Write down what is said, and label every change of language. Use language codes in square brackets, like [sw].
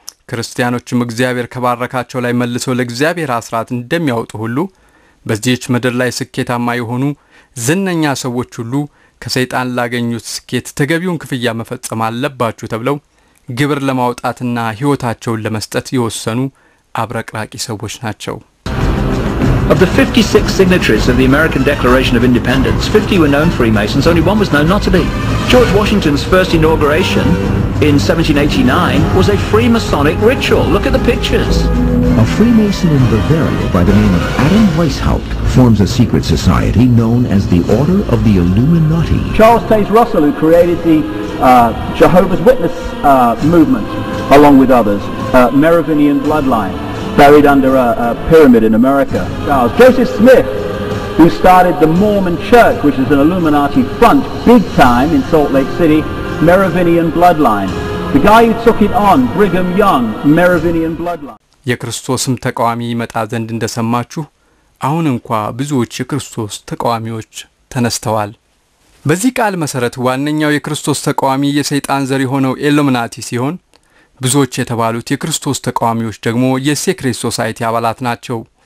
[am] ክርስቲያኖችም እግዚአብሔር ከባረካቸው ላይ መልሰው ለእግዚአብሔር አስራት እንደሚያወጡ ሁሉ በዚህች ምድር ላይ ስኬታማ የሆኑ ዝነኛ ሰዎች ሁሉ ከሰይጣን ላገኙት ስኬት ተገቢውን ክፍያ መፈጸም አለባችሁ ተብለው ግብር ለማውጣትና ሕይወታቸውን ለመስጠት የወሰኑ አብረቅራቂ ሰዎች ናቸው። [en] Of the 56 signatories of the American Declaration of Independence, 50 were known Freemasons, only one was known not to be. George Washington's first inauguration in 1789 was a Freemasonic ritual. Look at the pictures. A Freemason in Bavaria by the name of Adam Weishaupt forms a secret society known as the Order of the Illuminati. Charles Taze Russell, who created the Jehovah's Witness movement along with others, Merovingian bloodline. Buried under a pyramid in America. Joseph Smith, who started the Mormon Church, which is an Illuminati front, big time in Salt Lake City, Merovingian bloodline. The guy who took it on, Brigham Young, Merovingian bloodline. [am] የክርስቶስም ተቃዋሚ መጣ ዘንድ እንደሰማችሁ አሁን እንኳን ብዙዎች የክርስቶስ ተቃዋሚዎች ተነስተዋል። በዚህ ቃል መሰረት ዋነኛው የክርስቶስ ተቃዋሚ የሰይጣን ዘር የሆነው ኢሉሚናቲ ሲሆን ብዙዎች የተባሉት የክርስቶስ ተቃዋሚዎች ደግሞ የሴክሬት ሶሳይቲ አባላት ናቸው።